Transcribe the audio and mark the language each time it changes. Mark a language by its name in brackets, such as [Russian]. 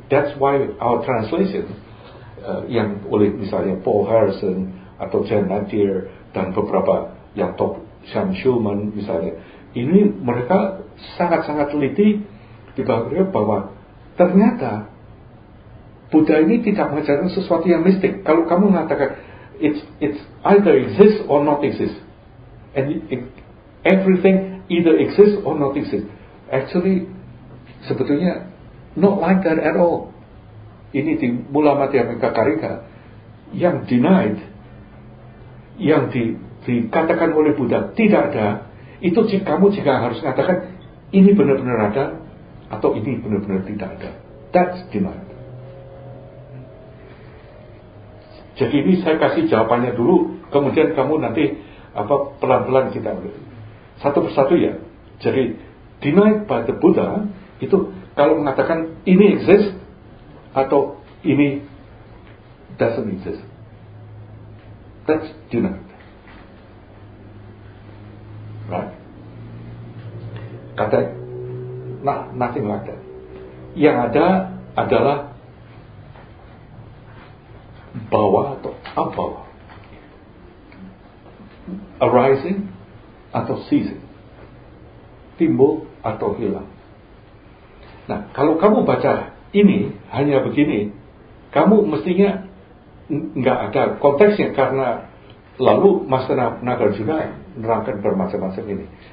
[English] That's why our translation [Indonesian] yang oleh misalnya Paul Harrison atau Jan Nadir dan beberapa yang top, Sam Schulman misalnya, ini mereka sangat-sangat teliti di bagian bahwa ternyata Buddha ini tidak mengajarkan sesuatu yang mistik. Kalau kamu mengatakan [English] it's either exists or not exists, [Indonesian] and everything either exists or not exists, actually sebetulnya [English] not like that at all. [Indonesian] Ini di Mula Madhya Mika Karika yang denied, yang dikatakan oleh Buddha tidak ada, itu kamu jika harus mengatakan ini benar-benar ada atau ini benar-benar tidak ada. [English] That's denied. [Indonesian] Jadi ini saya kasih jawabannya dulu, kemudian kamu nanti apa pelan-pelan kita mengerti. Satu persatu ya. Jadi denied by the Buddha itu kalau mengatakan ini exist atau ini doesn't exist. [English] That's denied. Right? [Indonesian] Kata nah, [English] nothing like that. [Indonesian] Yang ada adalah bawa atau apa? Arising atau ceasing. Timbul atau hilang. Nah, kalau kamu baca ini hanya begini, kamu mestinya enggak ada konteksnya karena lalu Master Nagarjuna nerangkan bermacam-macam ini.